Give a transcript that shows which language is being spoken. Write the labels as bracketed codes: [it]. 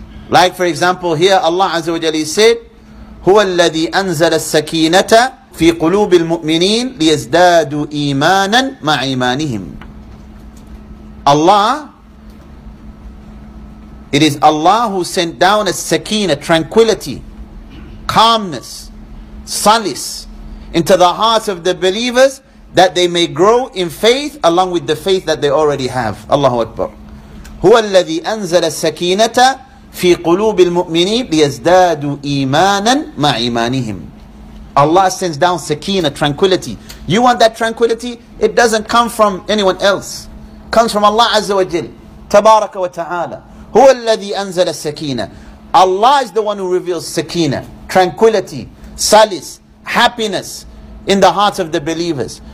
[en] Like for example, here Allah Azza wa Jalla said, [ar] هو الذي أنزل السكينة في قلوب المؤمنين ليزدادوا إيمانا مع إيمانهم. [en] Allah, it is Allah who sent down a sakina, tranquility, calmness, solace into the hearts of the believers that they may grow in faith along with the faith that they already have. [ar] Allahu Akbar. هو الذي أنزل السكينة في قلوب المؤمنين ليزدادوا إيمانا مع إيمانهم. [en] Allah sends down sakina, tranquility. You want that tranquility? It doesn't come from anyone else. It comes from Allah Azza wa Jal. [ar] تبارك وتعالى. هو الذي أنزل السكينة. [en] Allah is the one who reveals sakina, tranquility, solace, happiness in the hearts of the believers.